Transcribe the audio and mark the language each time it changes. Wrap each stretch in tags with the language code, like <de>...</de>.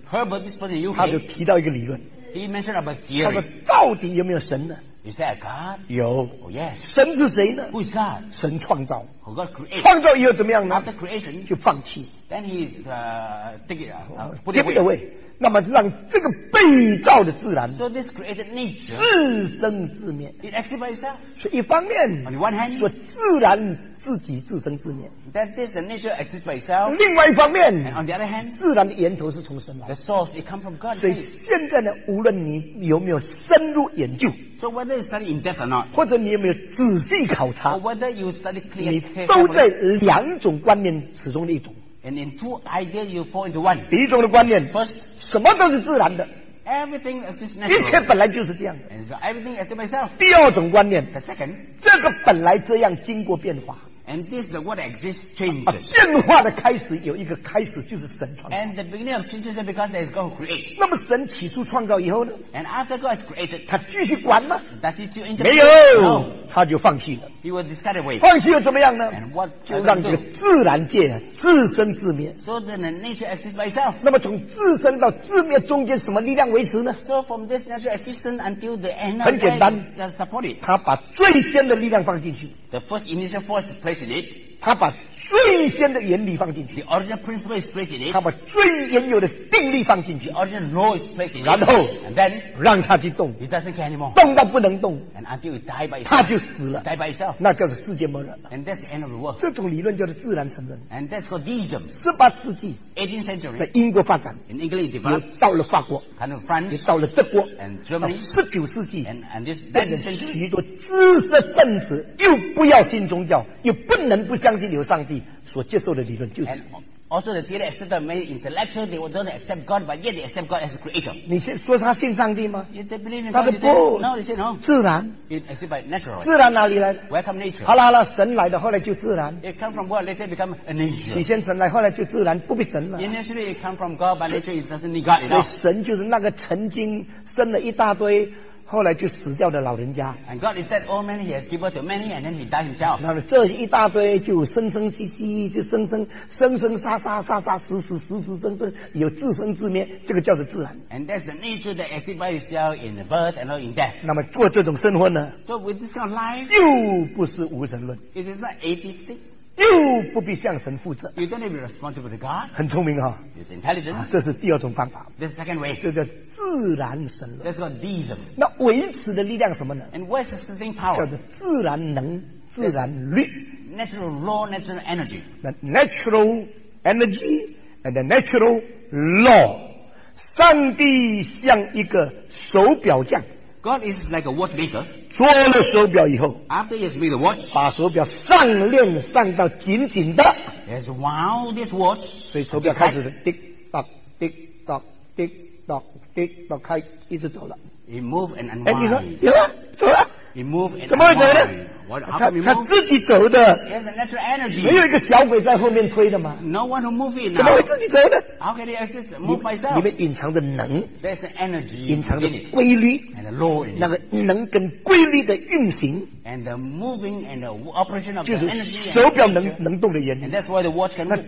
<en>Herbert, this person in UK,</en> <zh>他就提到一个理论</zh> <en>He mentioned about theory.</en> <zh>他说到底有没有神呢</zh> <en>Is that a God?</en> <zh>有</zh> <en>Oh yes.</en> <zh>神是谁呢</zh> <en>Who is God?</en> <zh>神创造</zh> <en>Create,</en> <zh>创造以后怎么样呢</zh> <en>after creation,</en> <zh>就放弃</zh> <en>then he, take it, put it away. away</en> <zh>那么让这个被造的自然</zh> <en>so this created nature,</en> <zh>自生自灭</zh> <en>it acts by itself</en> <zh>所以一方面</zh> <en>on the one hand,</en> <zh>说自然自己自生自灭</zh> <en>that this nature exists by itself</en> <zh>另外一方面</zh> <en>on the other hand,</en> <zh>自然的源头是从神来</zh> <en>the source, it comes from God</en> <zh>所以现在呢无论你有没有深入研究</zh> <en>so whether you study in depth or not</en> <zh>或者你有没有仔细考察</zh> <en>or whether you study clearly</en> <zh>都在两种观念始终的一种</zh> <en>And in two ideas you fall into one</en> <zh>第一种的观念</zh> <en>First</en> <zh>什么都是自然的</zh> <en>Everything is just natural.</en> <zh>一切本来就是这样的。</zh> <en>And so everything is myself.</en> <zh>第二种观念。</zh> <en>The second.</en> <zh>这个本来这样经过变化。</zh> <en>And this is what exists changes.</en> <zh>变化的开始有一个开始就是神创造。</zh> <en>And the beginning of changes is because there is God who created.</en> <zh>那么神起初创造以后呢？</zh> <en>And after God has created.</en> <zh>他继续管吗？</zh> <en>Does he still interfere?</en> <zh>没有。</zh> <en>No.</en> <zh>他就放弃了。</zh> <en>He will discard away.</en> <zh>放弃又怎么样呢？</zh> <en>And what</en> <zh>就让这个自然界自生自灭。</zh> <en>So then the nature exists by itself.</en> <zh>那么从自生到自灭中间什么力量维持呢？</zh> <en>So from this natural existence until the end of the world does support it.</en> <zh>他把最先的力量放进去。</zh> <en>The first initial force placed in it.</en> <zh>他把最先的原理放进去。</zh> <en>The original principle is placed in it.</en> <zh>他把最原有的定力放进去。</zh> <en>The original law is placed in it.</en> <zh>然后</zh> <en>and then,</en> <zh>让他去动。</zh> <en>It doesn't care anymore.</en> <zh>动到不能动。</zh> <en>And until it die by itself.</en> <zh>他就死了。</zh> <en>Die by itself.</en> <zh>那叫做世界末日。</zh> <en>And that's the end of the world.</en> <zh>这种理论叫做自然神论。</zh> <en>And that's called deism.</en> <zh>18世纪。</zh> <en>18th century.</en> <zh>在英国发展。</zh> <en>In England developed.</en> <zh>也到了法国。</zh> <en>Kind of France.</en> <zh>也到了德国。</zh> <en>And Germany.</en> <zh>19世纪。</zh> <en>And this 19th century.</en> <zh>许多知识分子又不要信宗教，又不能不相信有上帝，所接受的理论就是。</zh> <en>Also, the theory accepted many intellectuals, they don't accept God, but yet they accept God as a creator.</en> <zh>你先说他信上帝吗？</zh> <en>You don't believe in God?</en> <zh>他说不。</zh> <en>No, they say no.</en> <zh>自然。</zh> <en>It exists by natural.</en> <zh>自然哪里来？</zh> <en>Welcome nature.</en> <zh>好了好了，神来的后来就自然。</zh> <en>It comes from God, later become a nature.</en> <zh>起先神来，后来就自然，不必神了。</zh> <en>Initially, it comes from God, but later it doesn't need God.</en> <zh>所以神就是那个曾经生了一大堆后来就死掉的老人家。</zh> <en>And God is that old man, he has given birth to many, and then he died himself.</en> <zh>那么这一大堆就生生息息，就生生生生杀杀杀杀死死死死生生，有自生自灭，这个叫做自然。</zh> <en>And that's the nature that exists by itself in the birth and not in death.</en> <zh>那么做这种生活呢？</zh> <en>So with this kind of life,</en> <zh>又不是无神论。</zh> <en>It is not atheistic.</en> <zh>又不必向神负责。</zh> <en>You don't need to be responsible to God.</en> <zh>很聪明哈。</zh> <en>It's intelligent.</en> <zh>啊，这是第二种方法。</zh> <en>The second way.</en> <zh>这叫自然神论。</zh> <en>That's called deism.</en> <zh>那维持的力量什么呢？</zh> <en>And what's the sustaining power?</en> <zh>叫做自然能、自然律。</zh> <en>Natural law, natural energy. The natural energy and the natural law.</en> <zh>上帝像一个手表匠。</zh> <en>God is like a watchmaker.</en> <zh>做了手表以后</zh> <en>After he has made the watch,</en> <zh>把手表上链上到紧紧的</zh> <en>He has wound this watch.</en> <zh>所以手表开始</zh> <en>Tick tock tick tock</en> <zh>tick tock tick tock 开一直走了</zh> <en>He moved and unwind.</en> <zh>你说有了走了</zh> <en>He moved and</en> <zh>怎么会走呢他自己走的</zh> <en>He has a natural energy.</en> <zh>没有一个小鬼在后面推的吗</zh> <en>No one who moved it</en> <zh>怎么会自己走呢</zh> <en>How can he exist move myself</en> <zh>里面隐藏的能</zh> <en>There's the energy</en> <zh>隐藏的规律</zh> <en>And the law in it</en> <zh>那个能跟规律的运行</zh> <en>And the moving and the operation of the energy</en> <zh>就是手表能动的原理</zh> <en>And that's why the watch can move</en>